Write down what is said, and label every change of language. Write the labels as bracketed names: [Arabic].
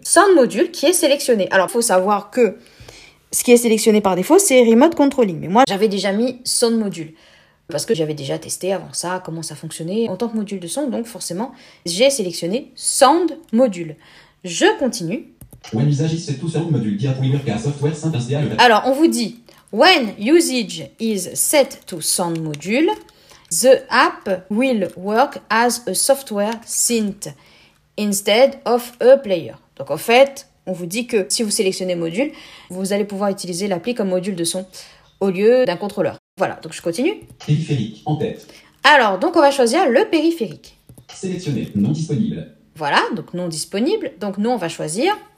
[French] Sound Module qui est sélectionné. Alors, il faut savoir que ce qui est sélectionné par défaut, c'est Remote Controlling. Mais moi, j'avais déjà mis Sound Module. Parce que j'avais déjà testé avant ça, comment ça fonctionnait en tant que module de son. Donc forcément, j'ai sélectionné Sound Module. Je continue. [English] When usage is set to sound module, diapoliver software synthesia. [French] Alors, on vous dit, [English] when usage is set to sound module, the app will work as a software synth instead of a player. [French] Donc, en fait, on vous dit que si vous sélectionnez module, vous allez pouvoir utiliser l'appli comme module de son au lieu d'un contrôleur. Voilà, donc je continue. Périphérique, en tête. Alors, donc, on va choisir le périphérique. Sélectionner, non disponible. Voilà, donc non disponible. Donc, nous, on va choisir...